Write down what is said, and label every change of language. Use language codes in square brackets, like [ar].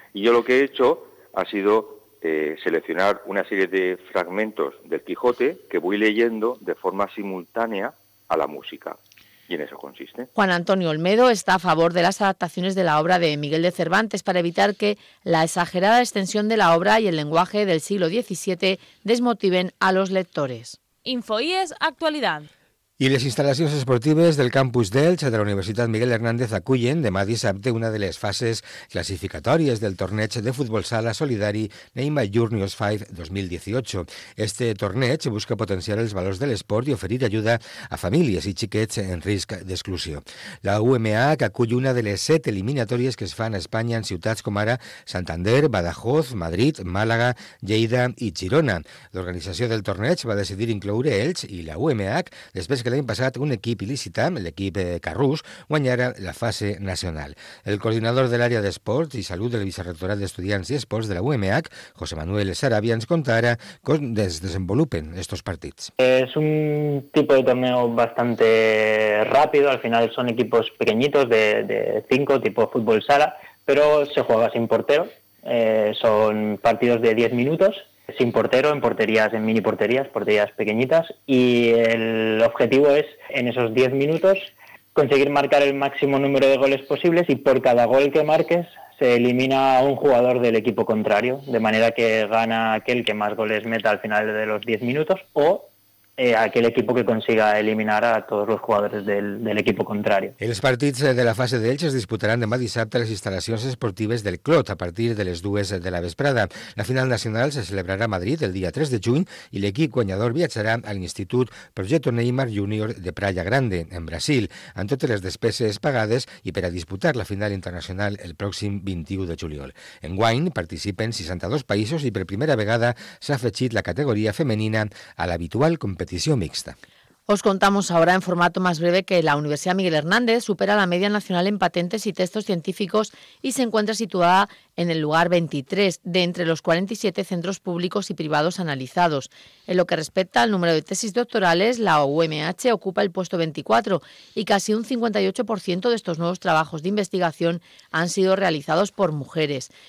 [es] Y yo lo que he hecho ha sido seleccionar una serie de fragmentos del Quijote que voy leyendo de forma simultánea a la música. Y en eso consiste. Juan Antonio Olmedo está a favor de las adaptaciones de la obra de Miguel de Cervantes para evitar que la exagerada extensión de la obra y el lenguaje del siglo XVII desmotiven a los lectores. InfoIES Actualidad. [ca] I les instal·lacions esportives del campus d'Elx de la Universitat Miguel Hernández acullen demà dissabte una de les fases classificatòries del torneig de futbol sala solidari Neymar Juniors 5 2018. Este torneig busca potenciar els valors de l'esport i oferir ajuda a famílies i xiquets en risc d'exclusió. La UMA, que acull una de les 7 eliminatòries que es fan a Espanya en ciutats com ara Santander, Badajoz, Madrid, Màlaga, Lleida i Girona. L'organització del torneig va decidir incloure Elx i la UMA després que l'any passat un equip il·licità, l'equip Carrús, guanyara la fase nacional. El coordinador de l'àrea d'esports i salut del Vicerrectorat d'Estudiants i Esports de la UMH, José Manuel Sarabia, ens conta ara com es desenvolupen estos partits. És un tipus de [es] torneo bastante ràpid, al final són equipos pequeñitos de 5, tipo futbol sala, però se juega sin portero, [ca] són partits de 10 minuts, [es] sin portero, en porterías, en mini porterías, porterías pequeñitas, y el objetivo es, en esos 10 minutos, conseguir marcar el máximo número de goles posibles y por cada gol que marques se elimina a un jugador del equipo contrario, de manera que gana aquel que más goles meta al final de los 10 minutos o aquel equipo que consiga eliminar a todos los jugadores del equipo contrario. [ca] Els partits de la fase d'Elche es disputaran demà dissabte a les instal·lacions esportives del Clot a partir de les 2 de la vesprada. La final nacional se celebrarà a Madrid el dia 3 de juny i l'equip guanyador viatjarà a l'Institut Projeto Neymar Júnior de Praia Grande, en Brasil, amb totes les despeses pagades i per a disputar la final internacional el pròxim 21 de juliol. Enguany participen 62 països i per primera vegada s'ha afegit la categoria femenina a l'habitual competició mixta. [es] Os contamos ahora en formato más breve que la Universidad Miguel Hernández supera la media nacional en patentes y textos científicos y se encuentra situada en el lugar 23 de entre los 47 centros públicos y privados analizados. En lo que respecta al número de tesis doctorales, la UMH ocupa el puesto 24 y casi un 58% de estos nuevos trabajos de investigación han sido realizados por mujeres.